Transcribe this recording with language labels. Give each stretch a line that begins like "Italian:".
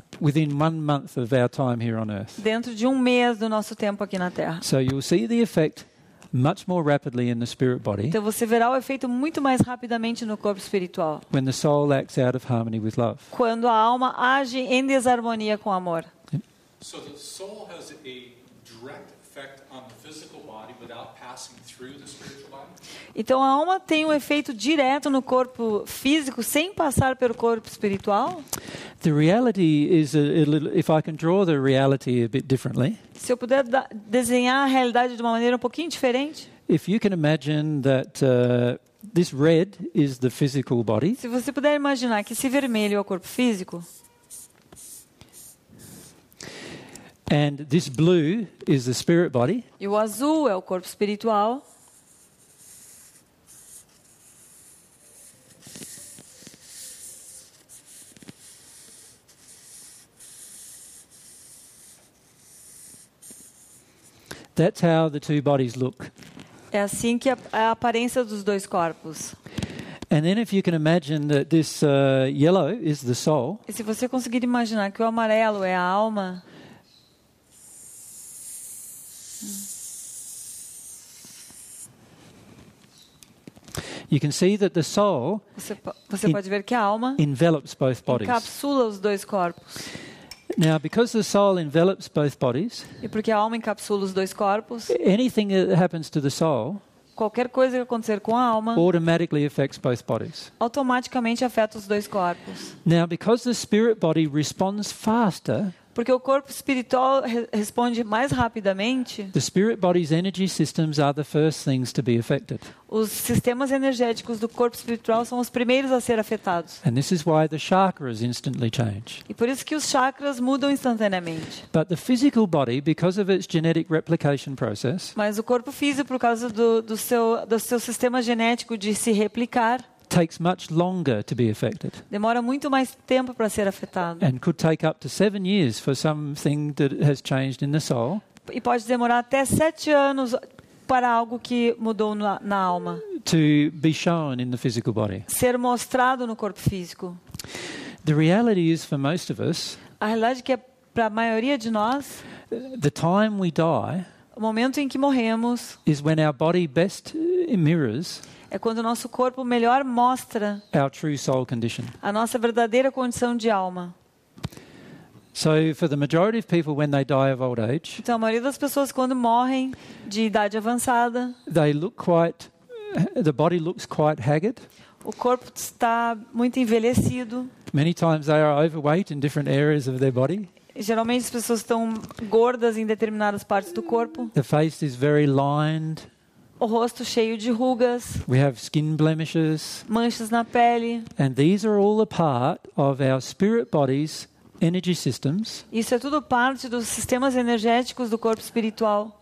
English: Within 1 month of our time here on Earth.
Portuguese: Dentro de 1 mês do nosso tempo aqui na Terra.
English: So you'll see the effect much more rapidly in the spirit body.
Portuguese: Então você verá o efeito muito mais rapidamente no corpo espiritual.
English: When the soul acts out of harmony with love.
Portuguese: Quando a alma age em desarmonia com o amor.
English: So the soul has a direct effect on the physical body without passing through the spiritual body.
Portuguese: Então a alma tem um efeito direto no corpo físico sem passar pelo corpo espiritual?
English: The reality is a little, if I can draw the reality a bit differently.
Portuguese: Se eu puder desenhar a realidade de uma maneira um pouquinho diferente.
English: If you can imagine that this red is the physical body.
Portuguese: Se você puder imaginar que esse vermelho é o corpo físico.
English: And this blue is the spirit body.
Portuguese: E o azul é o corpo espiritual.
English: That's how the two bodies look.
Portuguese: É assim que a aparência dos dois corpos.
English: And then if you can imagine that this yellow is the soul.
Portuguese: E se você conseguir imaginar que o amarelo é a alma.
English: You can see that the soul
Portuguese: você pode ver que a alma
English: envelops both bodies.
Portuguese: Encapsula os dois corpos.
English: Now, because the soul envelops both bodies,
Portuguese: e porque a alma encapsula os dois corpos,
English: anything that happens to the soul,
Portuguese: qualquer coisa que acontecer com a alma,
English: automatically affects both bodies.
Portuguese: Automaticamente afeta os dois corpos.
English: Now, because the spirit body responds faster,
Portuguese: Porque o corpo espiritual responde mais rapidamente.
English: The spirit body's energy systems are the first things to be affected.
Portuguese: Os sistemas energéticos do corpo espiritual são os primeiros a ser afetados.
English: And this is why the chakras instantly change.
Portuguese: E por isso que os chakras mudam instantaneamente.
English: But the physical body, because of its genetic replication process,
Portuguese: mas o corpo físico, por causa do seu sistema genético de se replicar,
English: takes much longer to be affected.
Portuguese: Demora muito mais tempo para ser afetado.
English: And could take up to 7 years for something that has changed in the soul.
Portuguese: E pode demorar até 7 anos para algo que mudou na alma.
English: To be shown in the physical body.
Portuguese: Ser mostrado no corpo físico.
English: The reality is for most of us.
Portuguese: A realidade é que para a maioria de nós.
English: The time we die.
Portuguese: O momento em que morremos.
English: Is when our body best mirrors.
Portuguese: É quando o nosso corpo melhor mostra
English: our true soul condition.
Portuguese: A nossa verdadeira condição de alma.
English: So for the majority of people when they die of old age,
Portuguese: então, a maioria das pessoas quando morrem de idade avançada,
English: they look quite, the body looks quite haggard.
Portuguese: O corpo está muito envelhecido.
English: Many times they are overweight in different areas of their body.
Portuguese: Geralmente as pessoas estão gordas em determinadas partes do corpo.
English: The face is very lined.
Portuguese: O rosto cheio de rugas.
English: We have skin blemishes.
Portuguese: Manchas na pele.
English: And these are all a part of our spirit body's energy systems.
Portuguese: Isso é tudo parte dos sistemas energéticos do corpo espiritual.